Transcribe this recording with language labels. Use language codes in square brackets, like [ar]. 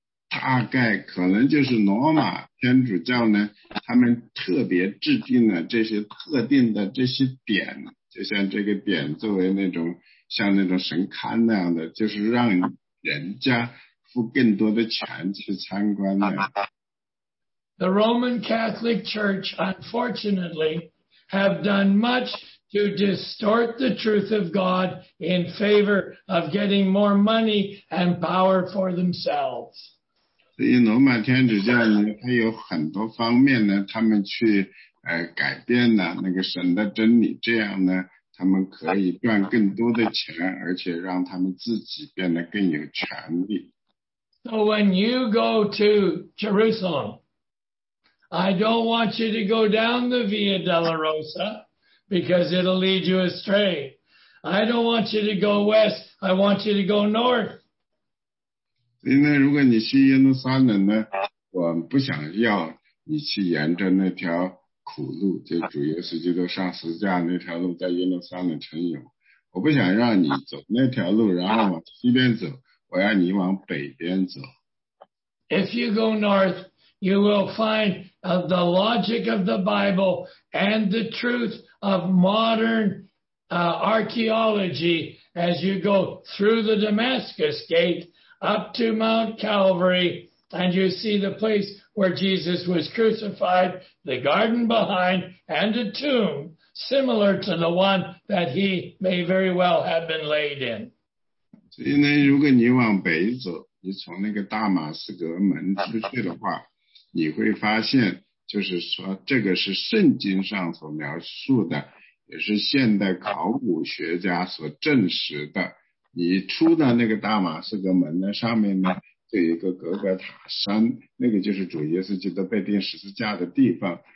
[zh] 大概可能就是罗马天主教呢，他们特别制定了这些特定的这些点，就像这个点作为那种像那种神龛那样的，就是让人家付更多的钱去参观那样。 [en] The Roman Catholic Church, unfortunately, have done much to distort the truth of God in favor of getting more money and power for themselves. [zh] 所以罗马天主教呢，它有很多方面呢，他们去改变了那个神的真理，这样呢，他们可以赚更多的钱，而且让他们自己变得更有权力。 [en] So when you go to Jerusalem, I don't want you to go down the Via Dolorosa because it'll lead you astray. I don't want you to go west. I want you to go north. [zh] 因为如果你去耶路撒冷呢，我不想要你去沿着那条苦路，就主耶稣基督上十字架那条路在耶路撒冷城有，我不想让你走那条路，然后往西边走。我要你往北边走。 [en] If you go north, you will find the logic of the Bible and the truth of modern archaeology as you go through the Damascus Gate up to Mount Calvary, and you see the place where Jesus was crucified, the garden behind, and a tomb similar to the one that he may very well have been laid in. [zh] 所以呢，如果你往北走，你从那个大马士革门出去的话，你会发现，就是说，这个是圣经上所描述的，也是现代考古学家所证实的。你出的那个大马士革门呢，上面呢，就有一个格格塔山，那个就是主耶稣基督被钉十字架的地方。